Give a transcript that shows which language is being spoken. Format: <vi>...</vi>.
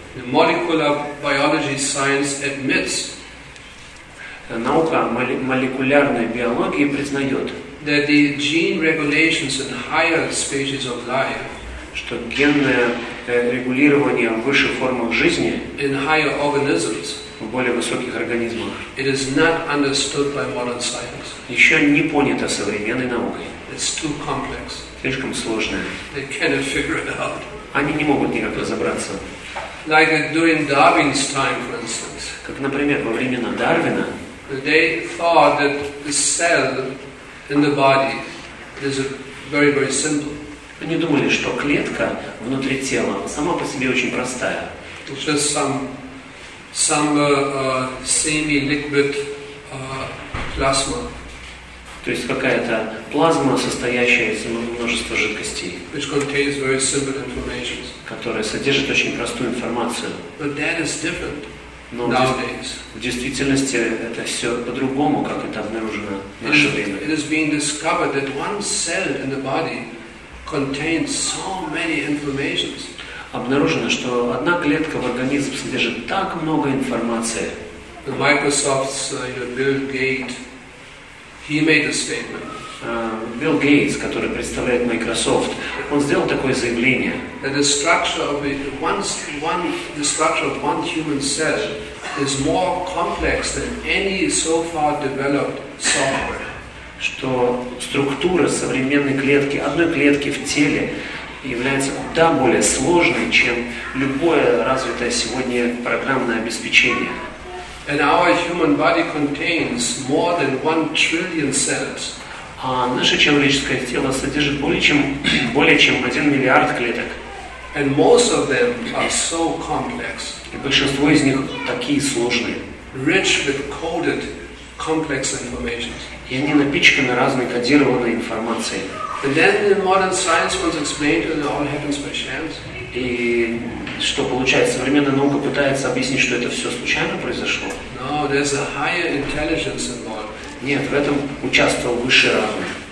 <en>The molecular biology science admits.</en> <ru>Наука молекулярной биологии признает,</ru> <en>that the gene regulations in higher species of life,</en> <ru>что генное регулирование в высших формах жизни,</ru> <en>in higher organisms,</en> <ru>в более высоких организмах,</ru> <en>it is not understood by modern science.</en> <ru>Еще не понято современной наукой.</ru> <en>It's too complex.</en> <ru>Слишком сложное.</ru> <en>They cannot figure it out.</en> <ru>Они не могут никак разобраться.</ru> <en>Like during Darwin's time, for instance.</en> <ru>Как, например, во времена Дарвина,</ru> <en>they thought that the cell in the body is very, very simple.</en> <ru>Они думали, что клетка внутри тела сама по себе очень простая.</ru> <en>It's just some semi-liquid plasma.</en> <ru>То есть какая-то плазма, состоящая из множества жидкостей,</ru> <en>which contains very simple information,</en> <ru>которая содержит очень простую информацию.</ru> <en>But that is different.</en> <ru>Но</ru> <en>nowadays,</en> <ru>в действительности это все по-другому, как это обнаружено в наше время.</ru> <en>It is being discovered that one cell in the body contains so many information.</en> <ru>Обнаружено, что одна клетка в организм содержит так много информации.</ru> <en>The Microsoft's Bill Gates, he made a statement.</en> <ru>Bill Gates, который представляет Microsoft, он сделал такое заявление.</ru> <en>That the structure of it, the structure of one human cell is more complex than any so far developed software.</en> <ru>Что структура современной клетки, одной клетки в теле, является куда более сложной, чем любое развитое сегодня программное обеспечение.</ru> <en>And our human body contains more than 1 trillion cells.</en> <ru>А наше человеческое тело содержит более чем 1 миллиард клеток.</ru> <en>And most of them are so complex.</en> <ru>И большинство из них такие сложные.</ru> <en>Rich with coded complex information.</en> <ru>И они напичканы разной кодированной информацией.</ru> <en>And then the modern science wants to explain that it all happens by chance.</en> <ru>И что получается? Современная наука пытается объяснить, что это все случайно произошло.</ru> <en>No, there's a higher intelligence involved.</en> <ru>Нет, в этом участвовал высший разум.</ru>